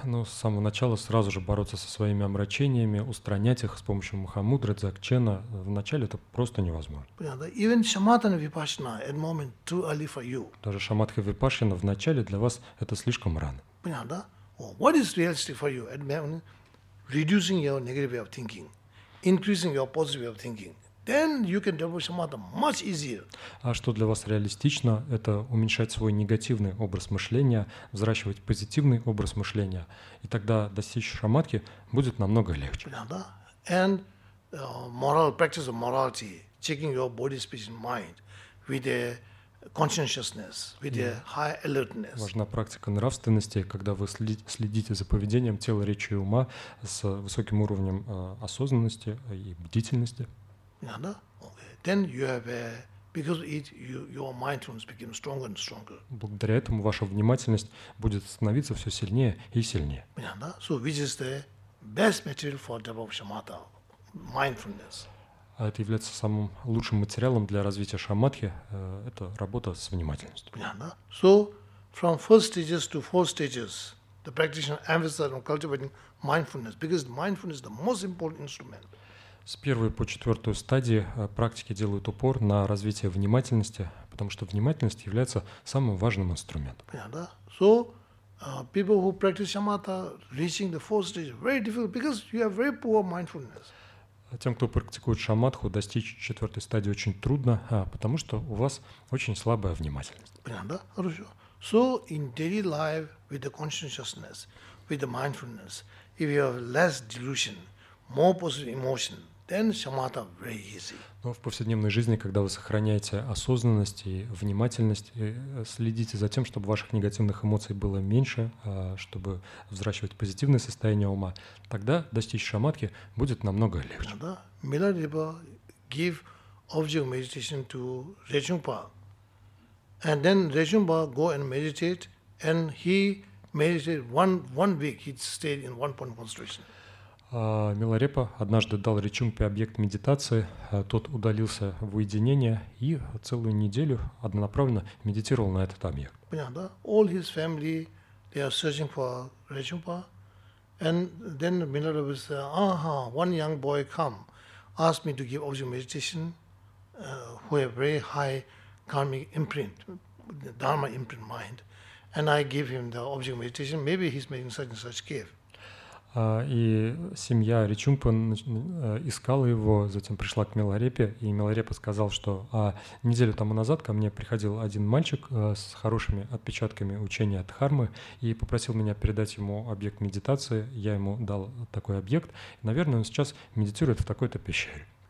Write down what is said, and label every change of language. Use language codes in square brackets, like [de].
[ru] Ну, с самого начала сразу же бороться со своими омрачениями, устранять их с помощью мухамудры, дзогчена. Вначале это просто невозможно. Понятно. [en] Even shamatha vipassana at moment too early for you. [ru] Даже шаматха випассана вначале для вас это слишком рано. Понятно. [en] What is reality for you at moment? Reducing your negative way of thinking, increasing your positive way of thinking. Then you can develop shamatha much easier. [ru] А что для вас реалистично? Это уменьшать свой негативный образ мышления, взращивать позитивный образ мышления, и тогда достичь шаматхи будет намного легче. Да. [en] And moral practice of morality, checking your body, speech, and mind with a consciousness, with a high alertness. [ru] Важна практика нравственности, когда вы следите за поведением тела, речи и ума с высоким уровнем осознанности и бдительности. Да, okay. [en] Then you have a, because it you, your mindfulness becomes stronger and stronger. [ru] Благодаря этому ваша внимательность будет становиться все сильнее и сильнее. [en] Да, so which is the best material for developing shamatha, mindfulness. [ru] А это является самым лучшим материалом для развития шаматхи, это работа с внимательностью. [en] Да, so from first stages to fourth stages, the practitioner emphasizes on cultivating mindfulness because mindfulness is the most important instrument. [ru] С первой по четвертую стадии практики делают упор на развитие внимательности, потому что внимательность является самым важным инструментом. Понятно? [en] So, people who practice shamatha reaching the fourth stage very difficult because you have very poor mindfulness. [ru] Тем, кто практикует шаматху, достичь четвертой стадии очень трудно, потому что у вас очень слабая внимательность. Понятно? Хорошо. [en] So, in daily life with the consciousness, with the mindfulness, if you have less delusion, more positive emotion, then shamatha very easy. [ru] Но в повседневной жизни, когда вы сохраняете осознанность и внимательность, и следите за тем, чтобы ваших негативных эмоций было меньше, чтобы взращивать позитивное состояние ума, тогда достичь шаматхи будет намного легче. [en] Да. Миларипа give object meditation to Речунгпа, and then Речунгпа go and meditate, and he meditated one week. He stayed in one point concentration. [ru] Миларепа однажды дал Речунгпе объект медитации, тот удалился в уединение и целую неделю однонаправленно медитировал на этот объект. Понятно, да? [en] All his family, they are searching for Речунгпа. And then Миларепа said, aha, one young boy come, asked me to give object meditation, who have very high karmic imprint, dharma imprint mind. And I give him the object meditation, maybe he's making such and such cave. [ru] И семья Речунгпа искала его, затем пришла к Миларепе, и Миларепа сказал, что неделю тому назад ко мне приходил один мальчик с хорошими отпечатками учения Дхармы и попросил меня передать ему объект медитации. Я ему дал такой объект. Наверное, он сейчас медитирует в такой-то пещере.